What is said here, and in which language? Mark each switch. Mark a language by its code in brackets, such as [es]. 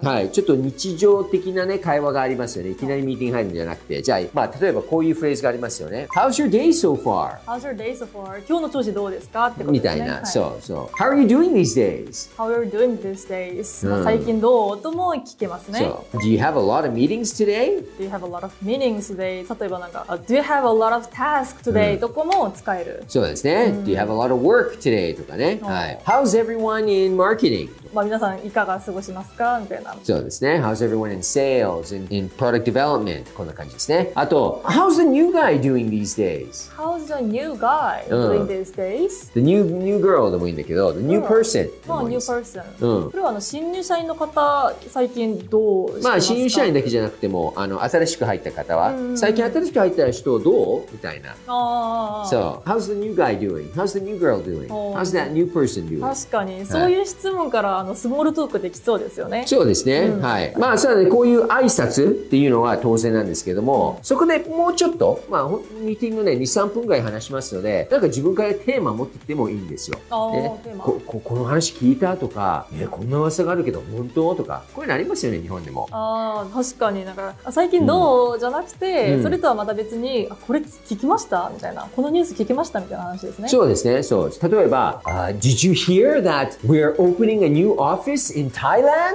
[ja] はい、ちょっと日常的なね、会話がありますよね。いきなりミーティング入るんじゃなくて。じゃあ、まあ例えばこういうフレーズがありますよね。 [en] How's your day so far? How's your day so far? [ja] 今日の調子どうですかってことですね。みたいな、はい、そうそう。 [en] How are you doing these days? How are you doing these days? [ja] 最近どうとも聞けますね。 [en] So, do you have a lot of meetings today? Do you have a lot of meetings today? [ja] 例えばなんか、 [en] Do you have a lot of tasks today? [ja] とかも使える。そうですね。 [en] Do you have a lot of work today? [ja] とかね。はい。 [en] How's everyone in marketing? [ja] まあ皆さんいかが過ごしますかみたいな。そうですね。 [en] How's everyone in sales? In product development? [ja] こんな感じですね。あと、 [en] How's the new guy doing these days? How's the new guy doing these days? The new girl [ja] でもいいんだけど、 [en] The new person。まあ、new person。 [ja] これは新入社員の方、最近どうしてますか？まあ、新入社員だけじゃなくても、新しく入った方は、最近新しく入った人どうみたいな。ああ。 [en] So, how's the new guy doing? How's the new girl doing? How's that new person doing? [ja] 確かに、はい、そういう質問から、スモールトークできそうですよね。そうですね、うん、はい、まあ、そうだね、こういう挨拶っていうのは当然なんですけども、そこでもうちょっと、まあ、ミーティングね 2,3 分ぐらい話しますので、なんか自分からテーマ持ってきてもいいんですよ。あー、ね、テーマ、この話聞いたとか、こんな噂があるけど本当とか、こういうのありますよね日本でも。あー、確かに、なんか最近どう、うん、じゃなくて、うん、それとはまた別に、あ、これ聞きましたみたいな、このニュース聞きましたみたいな話ですね。そうですね、そう、例えば、 [en] Did you hear that we're opening a new office in Thailand?